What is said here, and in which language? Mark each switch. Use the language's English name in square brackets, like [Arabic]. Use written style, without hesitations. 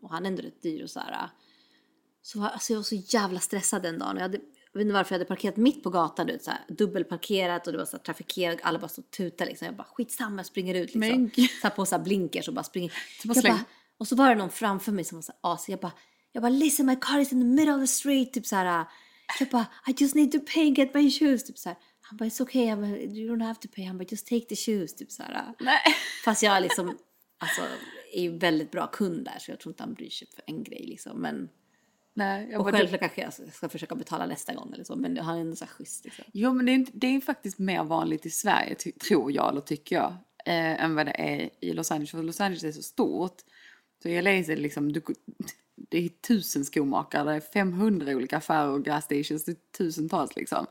[Swedish] Och han är ändå rätt dyr och så här. Så alltså, jag var så jävla stressad den dagen. Jag vet inte varför jag hade parkerat mitt på gatan. Så här, dubbelparkerat och det var så här, trafikerat. Alla bara så tutade liksom. Jag bara, skitsamma, jag springer ut liksom. Men... så här, på så här blinkers och bara springer. Och så var det någon framför mig som var så här asig. Jag bara, [English] listen, my car is in the middle of the street. [Swedish] Typ så här. Jag bara, [English] I just need to pay and get my shoes. [Swedish] Typ så här. Han bara, [English] it's okay, you don't have to pay. [Swedish] Han bara, [English] just take the shoes. [Swedish] Typ så här. Nej. Fast jag liksom, alltså, är ju väldigt bra kund där. Så jag tror inte han bryr sig för en grej liksom. Men, nej, jag och bara, självklart du... kanske jag ska försöka betala nästa gång eller så. Men han är ändå så här schysst liksom. Jo, men det är faktiskt mer vanligt i Sverige, tror jag, eller tycker jag. Än vad det är i Los Angeles. För Los Angeles är så stort. Så i LA är liksom, det är 1000 skomakare, det är 500 olika affärer och gas stations, det är tusentals liksom.